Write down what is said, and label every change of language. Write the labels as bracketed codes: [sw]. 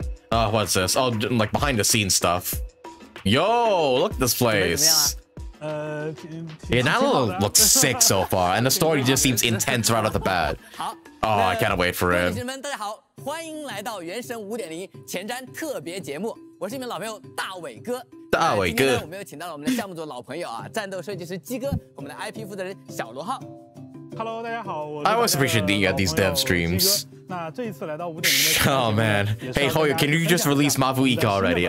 [en] What's this? Oh, like behind the scenes stuff. Yo, look at this place. Yeah, Natlan looks sick so far, and the story just seems intense right off the bat. Oh, I can't wait for it. [zh] 欢迎来到原神5.0前瞻特别节目，我是你们老朋友大伟哥。大伟哥，今天我们又请到了我们的项目组老朋友啊，战斗设计师鸡哥，我们的IP负责人小罗浩。 Hello， 大家好，我 [en] I always appreciate you at these dev streams. Oh man, hey Hoyo, can you just release mavuika already?